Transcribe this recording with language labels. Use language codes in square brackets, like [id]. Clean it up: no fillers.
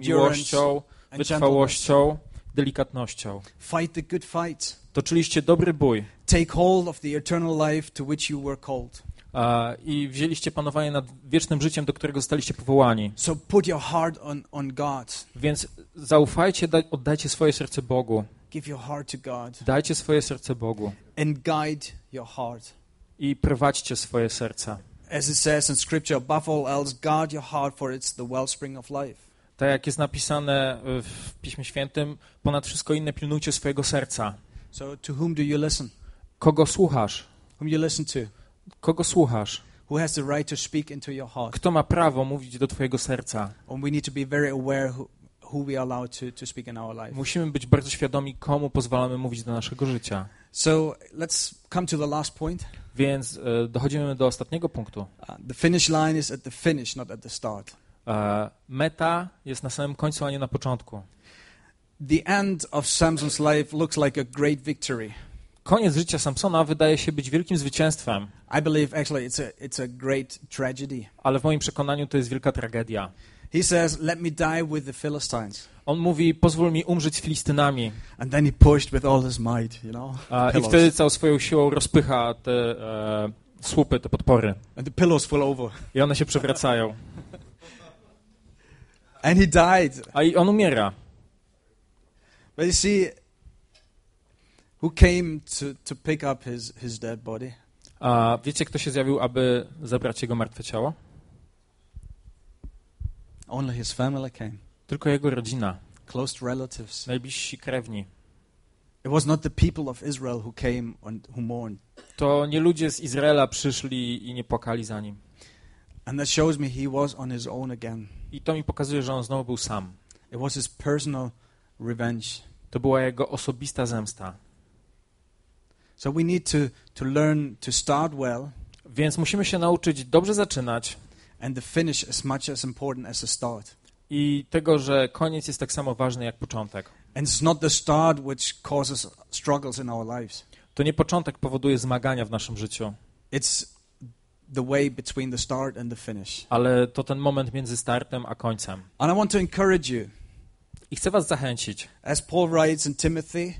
[pl] miłością, wytrwałością, delikatnością. [en] Fight the good fight. [pl] Toczyliście dobry bój. [en] Take hold of the eternal life to which you were called. [pl] I wzięliście panowanie nad wiecznym życiem, do którego zostaliście powołani. [en] So put your heart on God. [pl] Więc zaufajcie, oddajcie swoje serce Bogu. [en] Give your heart to God. [pl] Dajcie swoje serce Bogu. [en] And guide your heart. [pl] I prowadźcie swoje serca. [en] As it says in scripture, above all else, guard your heart, for it's the wellspring of life. [pl] Tak jak jest napisane w Piśmie Świętym, ponad wszystko inne pilnujcie swojego serca. [en] So to whom do you listen? [pl] Kogo słuchasz? [en] Whom you listen to? [pl] Kogo słuchasz? [en] Who has the right to speak into your heart? [pl] Kto ma prawo mówić do twojego serca? [en] And we need to be very aware who we allow to speak in our life. [pl] Musimy być bardzo świadomi, komu pozwalamy mówić do naszego życia. [en] So let's come to the last point. [pl] Więc dochodzimy do ostatniego punktu. [en] The finish line is at the finish, not at the start. [pl] Meta jest na samym końcu, a nie na początku. [en] The end of Samson's life looks like a great victory. [pl] Koniec życia Samsona wydaje się być wielkim zwycięstwem. [en] I believe actually it's a great tragedy. [pl] Ale w moim przekonaniu to jest wielka tragedia. [en] He says, "Let me die with the Philistines." [pl] On mówi, pozwól mi umrzeć z Filistynami. [en] And then he pushed with all his might, you know. [pl] I wtedy całą swoją siłą rozpycha te słupy, te podpory. [en] And the pillows fall over. [pl] I one się przewracają. [en] And he died. [pl] A on umiera. [en] But you see, who came to pick up his dead body? [pl] A wiecie, kto się zjawił, aby zabrać jego martwe ciało? [en] Only his family came. [pl] Tylko jego rodzina. [en] Close relatives. [pl] Najbliżsi krewni. [en] It was not the people of Israel who came and who mourned. [pl] To nie ludzie z Izraela przyszli i nie płakali za nim. [en] And that shows me he was on his own again. [pl] I to mi pokazuje, że on znowu był sam. [en] It was his personal revenge. [pl] To była jego osobista zemsta. [en] So we need to learn to start well. [pl] Więc musimy się nauczyć dobrze zaczynać. [en] And the finish is much as important as the start. [pl] I tego, że koniec jest tak samo ważny jak początek. [en] And it's not the start which causes struggles in our lives. [pl] To nie początek powoduje zmagania w naszym życiu. [en] It's the way between the start and the finish. [pl] Ale to ten moment między startem a końcem. [en] And I want to encourage you. [pl] I chcę was zachęcić. [en] As Paul writes in Timothy.